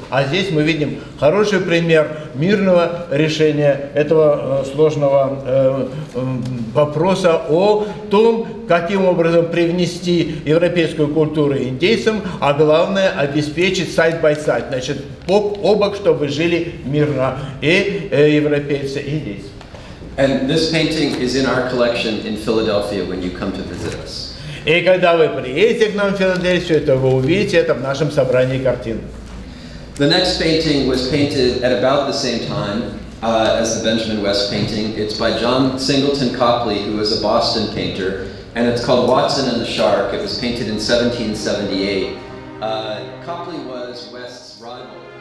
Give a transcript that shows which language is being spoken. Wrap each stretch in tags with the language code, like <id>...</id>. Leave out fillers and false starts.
<ru>А здесь мы видим хороший пример мирного решения этого сложного вопроса о том, каким образом привнести европейскую культуру индейцам, а главное обеспечить</ru> <en>сайд-бай-сайд,</en> <ru>значит, бок о бок, чтобы жили мирно и европейцы, и индейцы.</ru> <en>And this painting is in our collection in Philadelphia when you come to visit us.</en> <ru>И когда вы приедете к нам в Филадельфию, то вы увидите это в нашем собрании картин.</ru> <en>The next painting was painted at about the same time as the Benjamin West painting. It's by John Singleton Copley, who was a Boston painter, and it's called Watson and the Shark. It was painted in 1778. Copley was West's rival.</en>